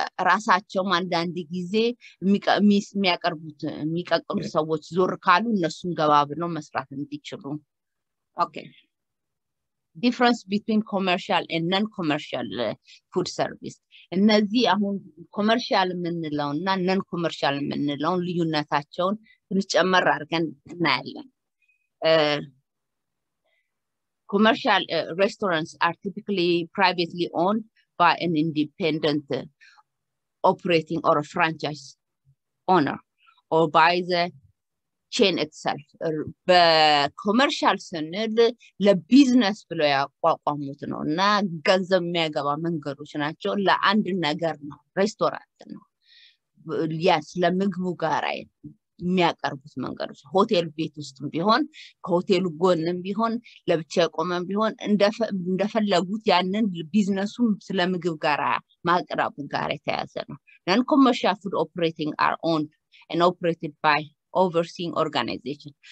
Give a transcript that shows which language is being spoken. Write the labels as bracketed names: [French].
[Amharic] ራሳቸውም አንዳንድ ጊዜ የሚያቀርቡት የሚቀቅሉ ሰዎች ዞር ካሉ እነሱን ገባ ብለው መስራት እንዲችሉ። ኦኬ [English] difference between commercial and non-commercial food service. [Amharic] እነዚህ አሁን commercial የምንለው እና non-commercial የምንለው ልዩነታቸውን ትንጨመር አድርገን እናያለን። [English] commercial restaurants are typically privately owned by an independent operating or a franchise owner or by the chain itself. [Amharic] በcommercial ስንል ለbusiness ብሎ ያቋቋሙት ነው እና ገንዘብ የሚያገባ መንገዶች ናቸው። ለአንድ ነገር ነው ሬስቶራንት ነው ያስ ለምግቡ ጋራ የሚያቀርቡት መንገዶች ሆቴል ቤት ውስጥም ቢሆን ከሆቴሉ ጎንም ቢሆን ለብቻ የቆመም ቢሆን እንደፈለጉት ያንን ቢዝነሱም ስለምግብ ጋራ ማቅረቡ ጋር የተያዘ ነው። [English] non-commercial food operating are owned and operated by overseeing organization.